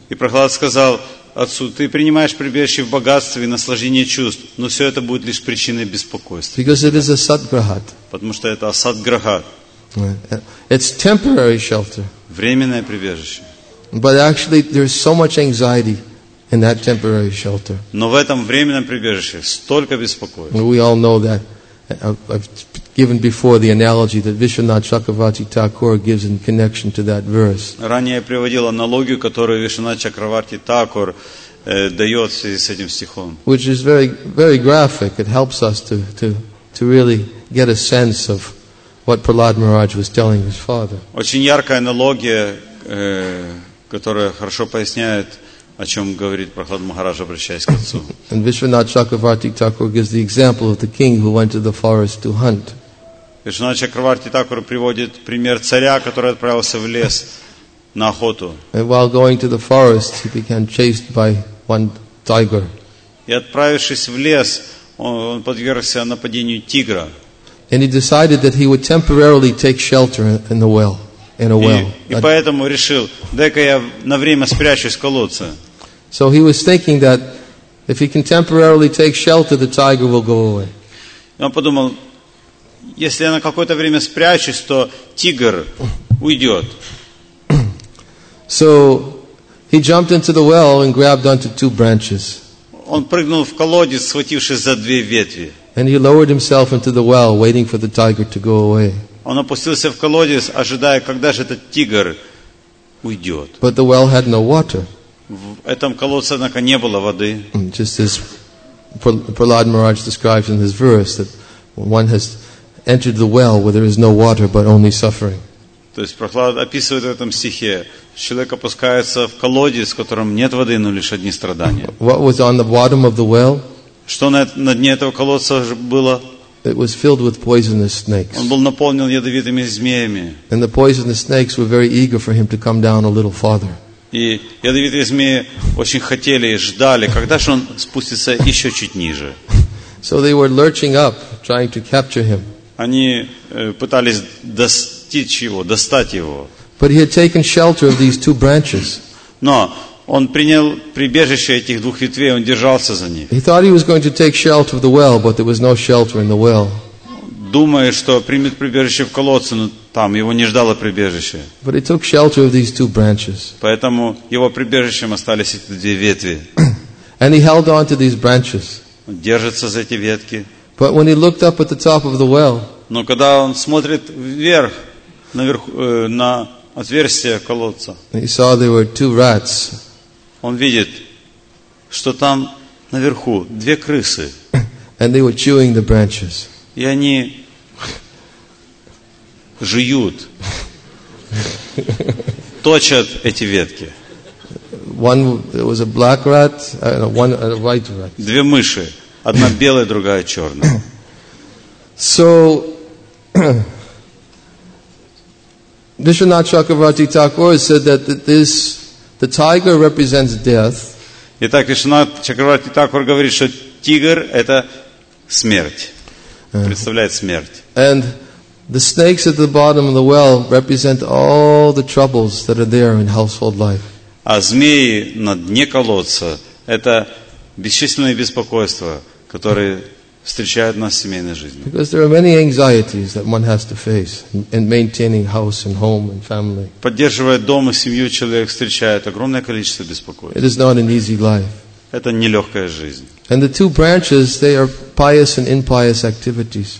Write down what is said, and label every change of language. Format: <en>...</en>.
<ru>И Прохлад сказал отцу: ты принимаешь прибежище в богатстве и наслаждение чувств, но все это будет лишь причиной беспокойства.</ru> <en>Because it is a sadgrahat.</en> <ru>Потому что это асадграхат.</ru> <en>It's temporary shelter.</en> <ru>Временное прибежище.</ru> <en>But actually, there's so much anxiety in that temporary shelter.</en> <ru>Но в этом временном прибежище столько беспокойства.</ru> <en>We all know that. I've given before the analogy that Vishwanath Chakravarti Thakur gives in connection to that verse.</en> <ru>Ранее я приводил аналогию, которую Вишванат Чакраварти Такур дает в связи с этим стихом.</ru> <en>Which is very, very graphic. It helps us to really get a sense of what Prahlad Maharaj was telling his father.</en> <ru>Очень яркая аналогия, которая хорошо поясняет, о чем говорит Прохлад Махарадж, обращаясь к отцу.</ru> <en>And Vishwanath Chakravarti Thakur gives the example of the king who went to the forest to hunt.</en> <ru>Vishwanath Chakravarti Thakur приводит пример царя, который отправился в лес на охоту.</ru> <en>And while going to the forest, he became chased by one tiger.</en> <ru>И отправившись в лес, он подвергся нападению тигра.</ru> <en>And he decided that he would temporarily take shelter in the well. In a well.</en> <ru>И поэтому решил, дай-ка я на время спрячусь в колодце.</ru> <en>So he was thinking that if he can temporarily take shelter, the tiger will go away.</en> <ru>Он подумал, если я на какое-то время спрячусь, то тигр уйдет.</ru> <en>So he jumped into the well and grabbed onto two branches.</en> <ru>Он прыгнул в колодец, схватившись за две ветви.</ru> <en>And he lowered himself into the well, waiting for the tiger to go away.</en> <ru>Он опустился в колодец, ожидая, когда же этот тигр уйдет.</ru> <en>But the well had no water.</en> <ru>В этом колодце, однако, не было воды.</ru> <en>Just as Prahlad Maharaj describes in his verse, that one has entered the well where there is no water, but only suffering.</en> <ru>То есть Прохлад описывает в этом стихе, человек опускается в колодец, в котором нет воды, но лишь одни страдания.</ru> <en>What was on the bottom of the well?</en> <ru>Что на дне этого колодца было?</ru> <en>It was filled with poisonous snakes.</en> <ru>Он был наполнен ядовитыми змеями.</ru> <en>And the poisonous snakes were very eager for him to come down a little farther.</en> <ru>И ядовитые змеи очень хотели и ждали, когда же он спустится еще чуть ниже.</ru> <en>So they were lurching up, trying to capture him.</en> <ru>Они пытались достичь его, достать его.</ru> <en>But he had taken shelter of these two branches.</en> <ru>Но он принял прибежище этих двух ветвей, он держался за них.</ru> <en>He thought he was going to take shelter of the well, but there was no shelter in the well.</en> <ru>Думая, что примет прибежище в колодце, но там его не ждало прибежище.</ru> <en>But he took shelter of these two branches.</en> <ru>Поэтому его прибежищем остались эти две ветви.</ru> <en>And he held on to these branches.</en> <ru>Он держится за эти ветки.</ru> <en>But when he looked up at the top of the well,</en> <ru>но когда он смотрит вверх, на отверстие колодца.</ru> <en>He saw there were two rats.</en> <ru>Он видит, что там наверху две крысы.</ru> <en>And they were chewing the branches.</en> <ru>И они жуют, точат эти ветки.</ru> <en>One was a black rat, and one a white rat.</en> <ru>Две мыши, одна белая, другая черная.</ru> <en>So Vishwanath Chakravarti Thakur said that this the tiger represents death.</en> <ru>Итак, Вишванат Чакраварти Такур говорит, что тигр это смерть, представляет смерть.</ru> <en>And The snakes at the bottom of the well represent all the troubles that are there in household life.</en> <ru>А змеи на дне колодца – это бесчисленные беспокойства, которые встречают нас в семейной жизни.</ru> <en>Because there are many anxieties that one has to face in maintaining house and home and family.</en> <ru>Поддерживая дом и семью, человек встречает огромное количество беспокойств.</ru> <en>It is not an easy life.</en> <ru>Это нелегкая жизнь.</ru> <en>And the two branches, they are pious and impious activities.</en>